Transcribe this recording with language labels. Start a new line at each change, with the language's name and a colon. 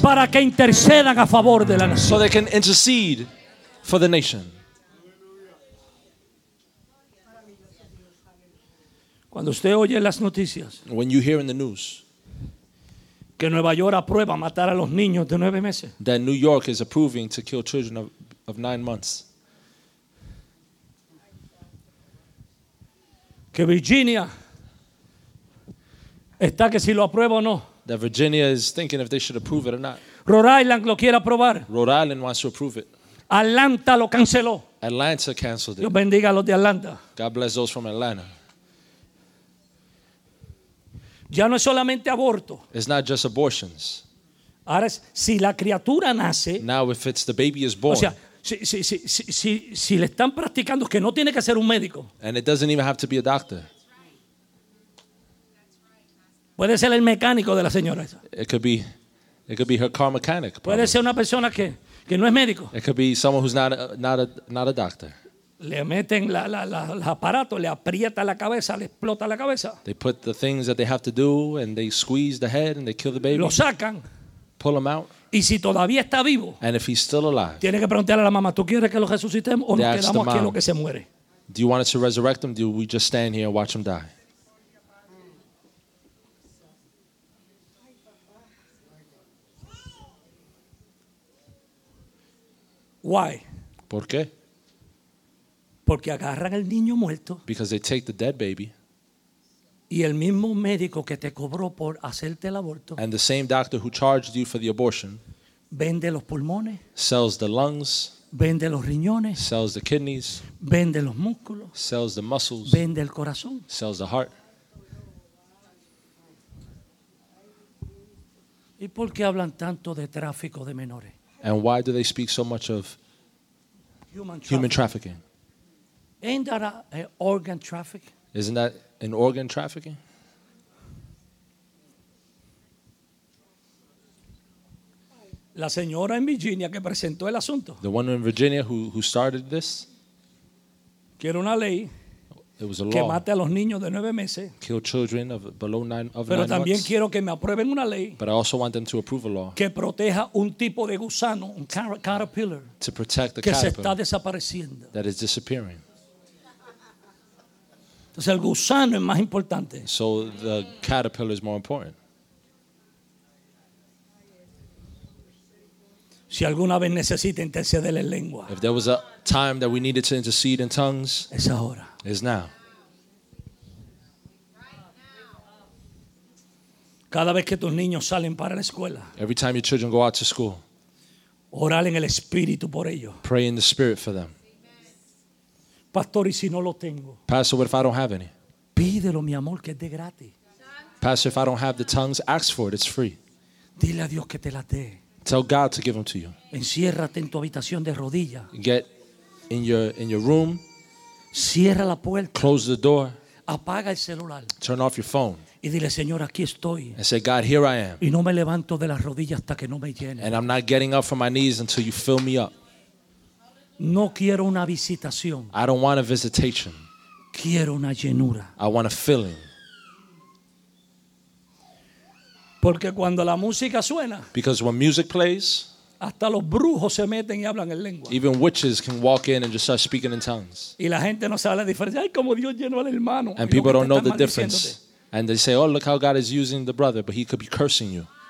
Spanish: Para que intercedan a favor de la nación.
English: So they can intercede for the nation.
Spanish: Cuando usted oye las noticias.
English: When you hear in the news.
Spanish: Que Nueva York aprueba matar a los niños de 9 meses.
English: That New York is approving to kill children of 9 months.
Spanish: Que Virginia está que si lo aprueba o no.
English: That Virginia is thinking if they should approve it or not.
Spanish: Rhode Island lo quiere aprobar.
English: Rhode Island wants to approve it.
Spanish: Atlanta lo canceló.
English: Atlanta canceled it.
Spanish: Dios bendiga a los de Atlanta.
English: God bless those from Atlanta.
Spanish: Ya no es solamente aborto.
English: It's not just abortions.
Spanish: Ahora es si la criatura nace.
English: Now if it's the baby is born.
Spanish: O sea, Si le están practicando que no tiene que ser un médico.
English: And it doesn't even have to be a doctor.
Spanish: Puede ser el mecánico de la señora esa.
English: It could be her car mechanic.
Spanish: Puede ser una persona que no es médico.
English: It could be someone who's not a doctor.
Spanish: Le meten los aparatos, le aprieta la cabeza, le explota la cabeza.
English: They put the things that they have to do and they squeeze the head and they kill the baby.
Spanish: Lo sacan.
English: Pull them out.
Spanish: Y si todavía está vivo,
English: and if he's still alive,
Spanish: tiene que preguntarle a la mamá, ¿tú quieres que lo resucitemos o nos quedamos aquí en lo que se muere?
English: Do you want us to resurrect him? Do we just stand here and watch him die? Why?
Spanish: ¿Por qué? Porque agarran el niño muerto.
English: Because they take the dead baby.
Spanish: Y el mismo médico que te cobró por hacerte el aborto.
English: And the same doctor who charged you for the abortion.
Spanish: Vende los pulmones.
English: Sells the lungs.
Spanish: Vende los riñones.
English: Sells the kidneys.
Spanish: Vende los músculos.
English: Sells the muscles.
Spanish: Vende el corazón.
English: Sells the heart.
Spanish: ¿Y por qué hablan tanto de tráfico de menores?
English: And why do they speak so much of human trafficking? Ain't that an organ trafficking? Isn't that an organ trafficking?
Spanish: La señora en Virginia que presentó el asunto.
English: The one in Virginia who started this.
Spanish: Quiere una ley.
English: It was a
Spanish: que
English: law.
Spanish: Mate a los niños de 9 meses.
English: Kill children of below nine of.
Spanish: Pero
English: nine
Spanish: también
English: months.
Spanish: Quiero que me aprueben una ley.
English: But I also want them to approve a law.
Spanish: Que proteja un tipo de gusano, un caterpillar.
English: To protect the
Spanish: que
English: caterpillar.
Spanish: Que se está desapareciendo.
English: That is disappearing.
Spanish: Entonces el gusano es más importante.
English: So the caterpillar is more important.
Spanish: Si alguna vez necesita interceder en lengua.
English: If there was a time that we needed to intercede in tongues.
Spanish: Es ahora.
English: Is now.
Spanish: Cada vez que tus niños salen para la escuela.
English: Every time your children go out to school.
Spanish: Orar en el espíritu por ellos.
English: Pray in the spirit for them.
Spanish: Pastor, ¿y si no lo tengo?
English: Pastor, what if I don't have any?
Spanish: Pídelo, mi amor, que es de gratis.
English: Pastor, if I don't have the tongues, ask for it. It's free.
Spanish: Dile a Dios que te la dé.
English: Tell God to give them to you.
Spanish: Enciérrate en tu habitación de rodillas.
English: Get in your room.
Spanish: Cierra la puerta.
English: Close the door.
Spanish: Apaga el celular.
English: Turn off your phone.
Spanish: Y dile, Señor, aquí estoy.
English: And say, God, here I am.
Spanish: Y no me levanto de las rodillas hasta que no me llene.
English: And I'm not getting up from my knees until you fill me up.
Spanish: No quiero una visitación.
English: I don't want a visitation.
Spanish: Quiero una llenura.
English: I want a filling.
Spanish: Porque cuando la música suena,
English: because when music plays,
Spanish: hasta los brujos se meten y hablan en lengua.
English: Even witches can walk in and just start speaking in tongues.
Spanish: Y la gente no sabe la diferencia. Ay, como Dios llenó al hermano.
English: And people don't know the difference. And they say, oh, look how God is using the brother, but he could be cursing you.